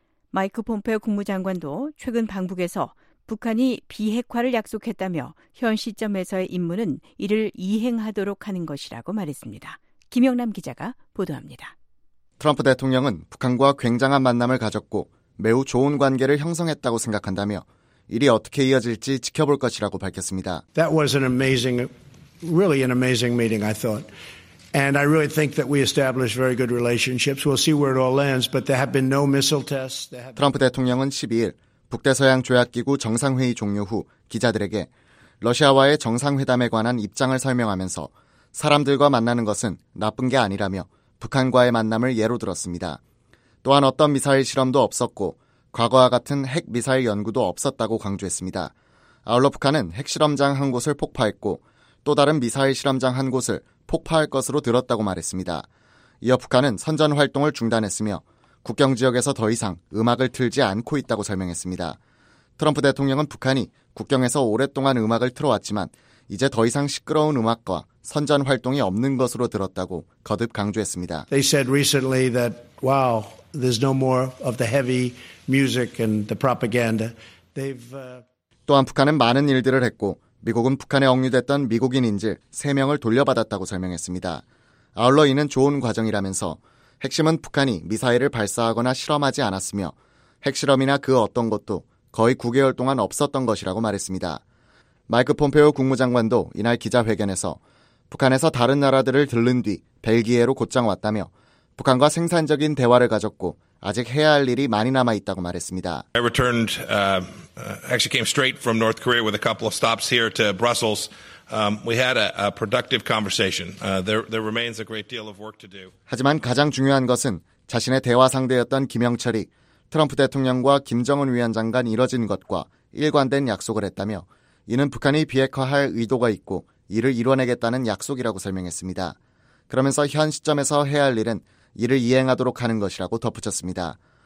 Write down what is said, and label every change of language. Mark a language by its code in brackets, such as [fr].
[ko] 마이크 폼페오 국무장관도 최근 방북에서 북한이 비핵화를 약속했다며 현 시점에서의 임무는 이를 이행하도록 하는 것이라고 말했습니다. 김영남 기자가 보도합니다. 트럼프 대통령은 북한과 굉장한 만남을 가졌고 매우 좋은 관계를 형성했다고 생각한다며 일이 어떻게 이어질지 지켜볼 것이라고 밝혔습니다. [en] That was an amazing, really an amazing meeting, I thought. And I really think that we established very good relationships. We'll see where it all ends, but there have been no missile tests. [ko] 트럼프 대통령은 12일 북대서양 조약기구 정상회의 종료 후 기자들에게 러시아와의 정상회담에 관한 입장을 설명하면서 사람들과 만나는 것은 나쁜 게 아니라며 북한과의 만남을 예로 들었습니다. 또한 어떤 미사일 실험도 없었고 과거와 같은 핵미사일 연구도 없었다고 강조했습니다. 아울러 북한은 핵실험장 한 곳을 폭파했고 또 다른 미사일 실험장 한 곳을 폭파할 것으로 들었다고 말했습니다. 이어 북한은 선전 활동을 중단했으며 국경 지역에서 더 이상 음악을 틀지 않고 있다고 설명했습니다. 트럼프 대통령은 북한이 국경에서 오랫동안 음악을 틀어왔지만 이제 더 이상 시끄러운 음악과 선전 활동이 없는 것으로 들었다고 거듭 강조했습니다. [en] They said recently that wow, there's no more of the heavy music and the propaganda. They've [ko] 또한 북한은 많은 일들을 했고 미국은 북한에 억류됐던 미국인 인질 3명을 돌려받았다고 설명했습니다. 아울러 이는 좋은 과정이라면서 핵심은 북한이 미사일을 발사하거나 실험하지 않았으며 핵실험이나 그 어떤 것도 거의 9개월 동안 없었던 것이라고 말했습니다. 마이크 폼페오 국무장관도 이날 기자회견에서 북한에서 다른 나라들을 들른 뒤 벨기에로 곧장 왔다며 북한과 생산적인 대화를 가졌고 아직 해야 할 일이 많이 남아 있다고 말했습니다. [en] I returned actually came straight from North Korea with a couple of stops here to Brussels. We had a productive conversation. There remains a great deal of work to do. [ko] 하지만 가장 중요한 것은 자신의 대화 상대였던 김영철이 트럼프 대통령과 김정은 위원장 간 이뤄진 것과 일관된 약속을 했다며 이는 북한이 비핵화할 의도가 있고 이를 이뤄내겠다는 약속이라고 설명했습니다. 그러면서 현 시점에서 해야 할 일은 이를 이행하도록 하는 것이라고 덧붙였습니다.